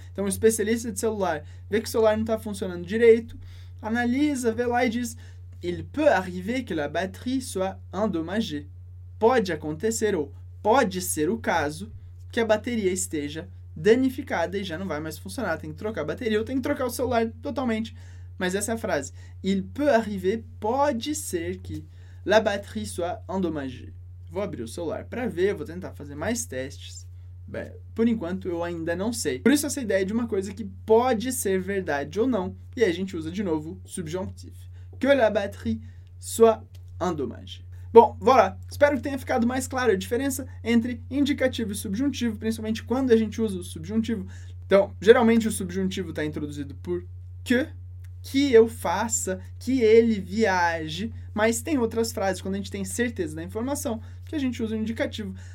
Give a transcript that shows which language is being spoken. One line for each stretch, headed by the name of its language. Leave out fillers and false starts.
Portuguese: Então, um especialista de celular vê que o celular não está funcionando direito, analisa, vê lá e diz:
French: il peut arriver que la batterie soit endommagée.
Portuguese: Pode acontecer ou pode ser o caso que a bateria esteja danificada e já não vai mais funcionar. Tem que trocar a bateria ou tem que trocar o celular totalmente. Mas essa é a frase.
French: Il peut arriver,
Portuguese: pode ser que
French: la batterie soit endommagée.
Portuguese: Vou abrir o celular para ver, vou tentar fazer mais testes. Bem, por enquanto, eu ainda não sei. Por isso, essa ideia de uma coisa que pode ser verdade ou não. E aí, a gente usa de novo o subjuntif.
French: Que la batterie soit endommagée.
Portuguese: Bom,
French: voilà.
Portuguese: Espero que tenha ficado mais claro a diferença entre indicativo e subjuntivo, principalmente quando a gente usa o subjuntivo. Então, geralmente, o subjuntivo está introduzido por que. que eu faça, que ele viaje. Mas tem outras frases quando a gente tem certeza da informação que a gente usa o um indicativo.